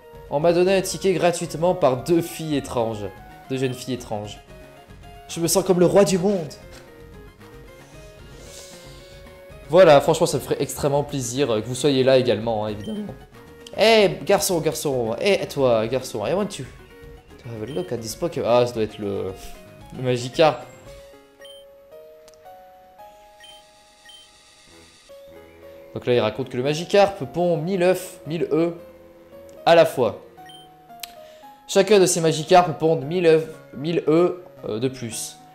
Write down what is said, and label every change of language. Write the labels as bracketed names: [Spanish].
[French] On m'a donné un ticket gratuitement par deux filles étranges. Deux jeunes filles étranges. Je me sens comme le roi du monde. Voilà, franchement, ça me ferait extrêmement plaisir que vous soyez là également, hein, évidemment. Hey, garçon, garçon. Hey, toi, garçon. [English] I want you to have a look at this Pokémon. [French] Ah, ça doit être le Magikarp. Donc là, il raconte que le Magikarp pond 1000 œufs, 1000 œufs à la fois. Chacun de ces Magikarp pond 1000 œufs, 1000 œufs de plus.